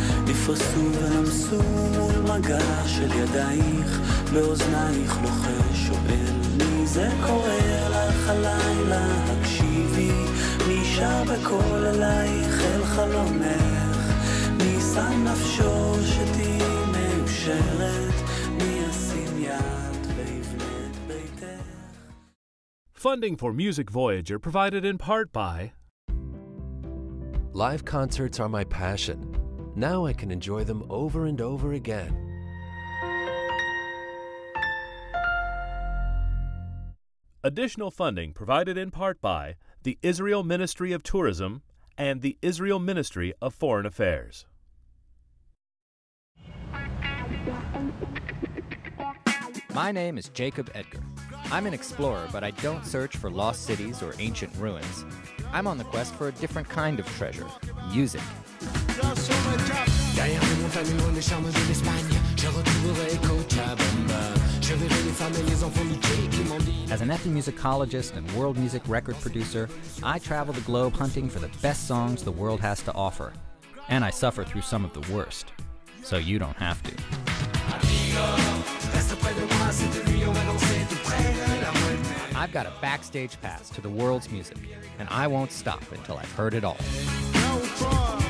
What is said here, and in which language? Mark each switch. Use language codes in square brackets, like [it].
[he] נפרסו ונמסו מול מגע של ידייך באוזנייך לוחש שואל מי זה קורא לך הלילה הקשיבי מי שר בקול אלייך אל חלומך מי שם נפשו שתהי מאושרת מי ישים יד ויבנת ביתך [en] Funding for Music Voyager provided in part by Live concerts are my passion. Now I can enjoy them over and over again. Additional funding provided in part by the Israel Ministry of Tourism and the Israel Ministry of Foreign Affairs. My name is Jacob Edgar. I'm an explorer, but I don't search for lost cities or ancient ruins. I'm on the quest for a different kind of treasure, music. [fr] D'ailleurs mes montagnes loin des charmes de l'Espagne Je retrouverai Cochabamba Je verrai les femmes et les enfants du Chili qui m'ont dit [en] As an ethnomusicologist and world music record producer, I travel the globe hunting for the best songs the world has to offer. And I suffer through some of the worst. So you don't have to. [fr] Amigo, reste près de moi, cette nuit on va danser tout près de [es] la muerte [en] I've got a backstage pass to the world's music, and I won't stop until I've heard it all.